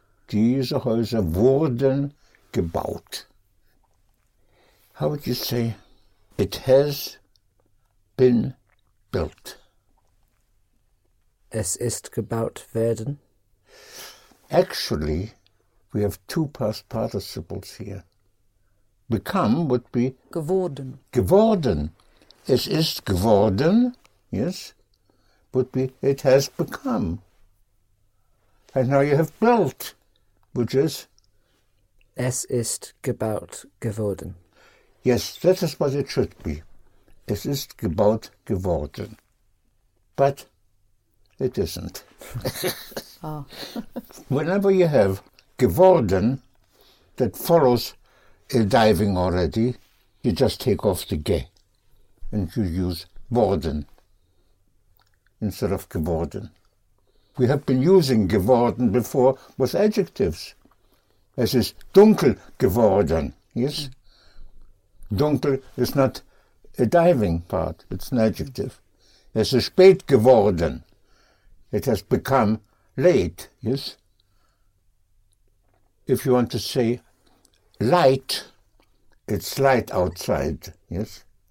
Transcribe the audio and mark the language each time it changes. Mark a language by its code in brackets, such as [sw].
[de] Diese Häuser wurden gebaut. [en] How would you say it has been built? [de] Es ist gebaut werden. [en] Actually, we have two past participles here. Become would be [de] geworden. Geworden. Es ist geworden, [en] yes, would be it has become. And now you have built, which is? [de] Es ist gebaut geworden. [en] Yes, that is what it should be. [de] Es ist gebaut geworden. [en] But it isn't. Oh. Whenever you have geworden, that follows a diving already, you just take off the ge and you use worden instead of geworden. We have been using geworden before with adjectives. [de] Es ist dunkel geworden, yes? [en] Dunkel is not a diving part, it's an adjective. [de] Es ist spät geworden. [en] It has become late, yes? If you want to say light, it's light outside, yes?